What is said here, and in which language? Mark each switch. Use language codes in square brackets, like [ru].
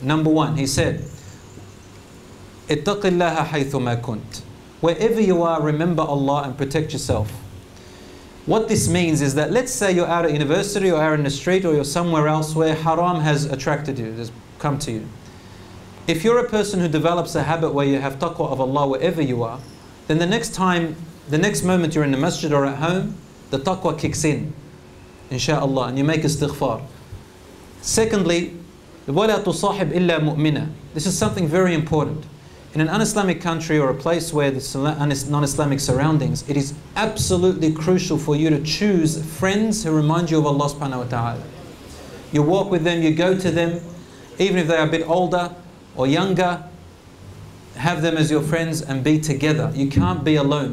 [en] Number one, he said, [ar] اتق الله حيث ما كنت. [en] Wherever you are, remember Allah and protect yourself. What this means is that, let's say you're out at university or out in the street or you're somewhere else where haram has attracted you, has come to you. If you're a person who develops a habit where you have taqwa of Allah wherever you are, then the next time, the next moment you're in the masjid or at home, the taqwa kicks in, inshaAllah, and you make istighfar. [ar] Secondly, وَلَا تُصَاحِبْ إِلَّا مُؤْمِنًا. [en] This is something very important. In an un-Islamic country or a place where the non-Islamic surroundings, it is absolutely crucial for you to choose friends who remind you of Allah subhanahu wa ta'ala. You walk with them, you go to them, even if they are a bit older or younger, have them as your friends and be together. You can't be alone.